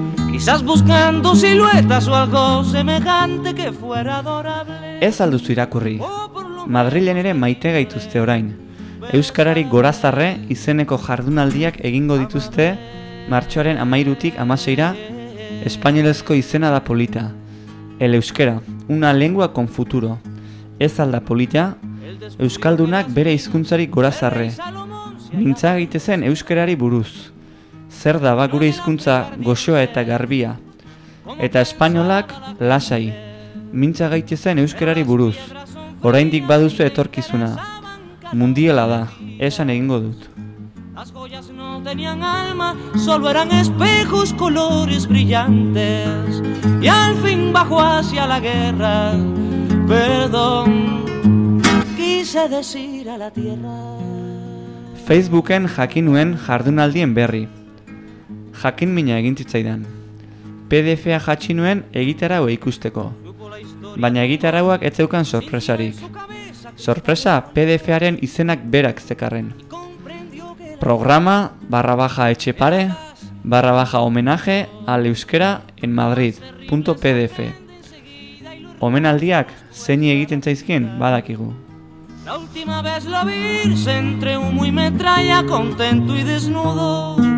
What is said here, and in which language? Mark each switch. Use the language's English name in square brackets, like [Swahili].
[Spanish] Quizás buscando siluetas o algo semejante que fuera adorable. [Basque] Ez alduzu irakurri. Madrilen ere maite gaituzte orain. Euskarari Gorazarre izeneko jardunaldiak egingo dituzte martxoaren 13tik 16ra. Espainielezko izena da polita. [Spanish] El euskera, una lengua con futuro. [Basque] Ez alda polita, euskaldunak bere hizkuntzari Gorazarre. Mintza gaitezen euskarari buruz. Zer da ba gure hizkuntza goxoa eta garbia? Eta espainolak lasai. Mintza gaitezen euskarari buruz. Oraindik baduzu etorkizuna. Mundiela da, esan egingo dut. [Spanish] Las joyas no tenían alma, solo eran espejos, colores brillantes. Y al fin bajó hacia la guerra, perdón, quise decir a la tierra. [Basque] Facebooken jakin nuen jardunaldien berri. Jakin mina egin zitzaidan. PDF-a jatxi nuen egitaraua ikusteko. Baina egitarauak ez zeukan sorpresarik. Sorpresa PDF-aren izenak berak zekarren. [Spanish] Programa / Etxepare / homenaje al euskera en madrid.pdf. [Basque] Omenaldiak zeini egiten zaizkien badakigu. [Spanish] La última vez lo vi entre humo y metralla, contento y desnudo.